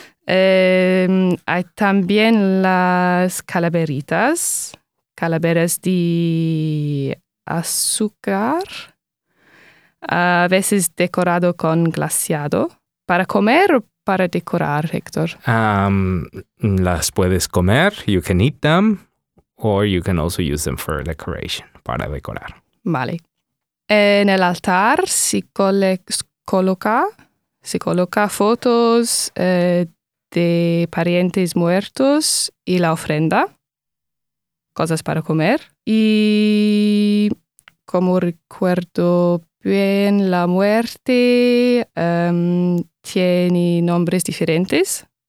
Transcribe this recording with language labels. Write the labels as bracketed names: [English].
[Spanish] Hay también las calaveritas. Calaveras de azúcar, a veces decorado con glaseado. ¿Para comer o para decorar, Héctor? Las puedes comer, [English] you can eat them, or you can also use them for decoration, [Spanish] para decorar. Vale. En el altar se coloca fotos de parientes muertos y la ofrenda. Cosas para comer. Y como recuerdo bien, la muerte tiene nombres diferentes.